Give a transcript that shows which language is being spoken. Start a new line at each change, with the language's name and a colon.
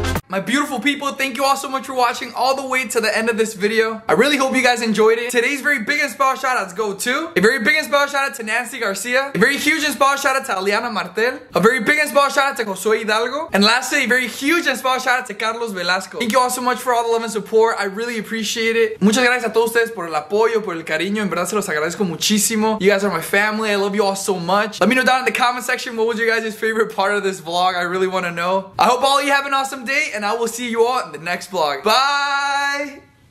English: My beautiful people, thank you all so much for watching all the way to the end of this video. I really hope you guys enjoyed it. Today's very big and special shout outs go to a very big and special shout out to Nancy Garcia, a very huge and special shout out to Aliana Martel, a very big and special shout out to Josue Hidalgo, and lastly, a very huge and special shout out to Carlos Velasco. Thank you all so much for all the love and support. I really appreciate it.
Spanish: Muchas gracias a todos ustedes por el apoyo, por el cariño. En verdad se los agradezco muchísimo.
English: You guys are my family. I love you all so much. Let me know down in the comment section what was your guys' favorite part of this vlog. I really want to know. I hope all of you have an awesome day. And I will see you all in the next vlog. Bye!